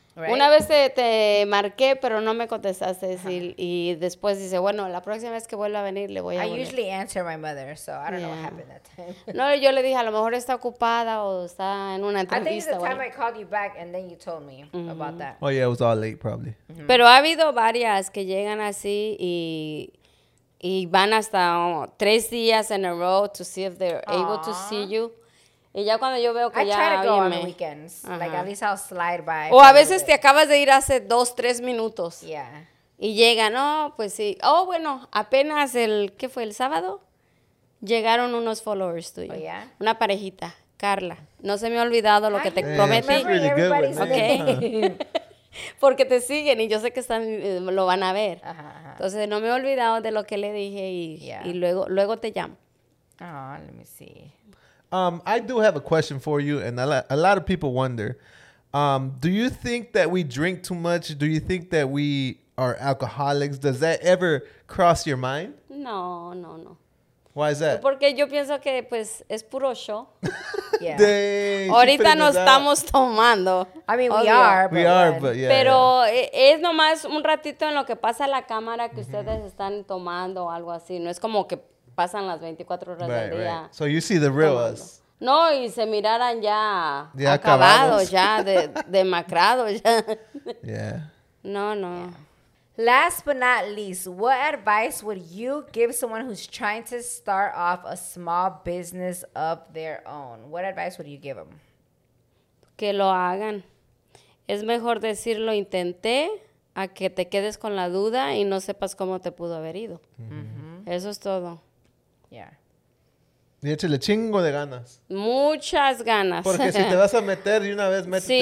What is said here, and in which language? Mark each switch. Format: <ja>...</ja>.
<es>Una vez te marqué, pero no me contestaste. Y después dice, bueno, la próxima vez que vuelva a venir, le voy a volver.</es> <en>I usually answer my mother, so I don't know what happened that time.</en> <es>No, yo le dije, a lo mejor está ocupada o está en una entrevista.</es> <en>I think it's the time I called you back and then you told me about that. Oh, yeah, it was all late, probably. Mm-hmm.</en> <es>Pero ha habido varias que llegan así y van hasta 3 días</es> <en>in a row to see if they're able to see you.</en> <es>Y ya cuando yo veo que</es> <en>I</en> <es>ya</es> <en>try to go on the weekends. Uh-huh. Like, at least I'll slide by.</en> <es>O a veces te acabas de ir hace 2-3 minutos.</es> <en>Yeah.</en> <es>Y llega, no, pues sí. Oh, bueno, apenas el, ¿qué fue? ¿El sábado? Llegaron unos followers tuyos.</es> <en>Oh, yeah.</en> <es>Una parejita, Carla. No se me ha olvidado lo que te prometí. Porque te siguen y yo sé que están, lo van a ver. Ajá, ajá. Entonces, no me he olvidado de lo que le dije y,</es> <en>yeah.</en> <es>y luego te llamo.</es> <en>Oh, let me see. I do have a question for you, and a lot of people wonder. Do you think that we drink too much? Do you think that we are alcoholics? Does that ever cross your mind? No, no, no. Why is that?</en> <es>Porque yo pienso que, pues, es puro show.</es> <en>Yeah. Dang,</en> <es>ahorita nos estamos tomando.</es> <en>I mean,</en> <es>obvio.</es> <en>We are, but yeah.</en> <es>Pero</es> <en>yeah.</en> <es>Es nomás un ratito en lo que pasa la cámara que mm-hmm. ustedes están tomando o algo así. No es como que pasan las 24 horas del día.</es> <en>Right. So you see the real us.</en> <es>No, y se miraran ya acabados, ya demacrados. Ya.</es> <en>Yeah.</en> <es>No, no.</es> <en>Yeah. Last but not least, what advice would you give someone who's trying to start off a small business of their own? What advice would you give them?</en> <es>Que lo hagan. Es mejor decir lo intenté a que te quedes con la duda y no sepas cómo te pudo haber ido. Mm-hmm. Eso es todo.</es> <en>Yeah.</en> <es>Y échale chingo de ganas. Muchas ganas. Porque si te vas a meter de una vez, métete</es>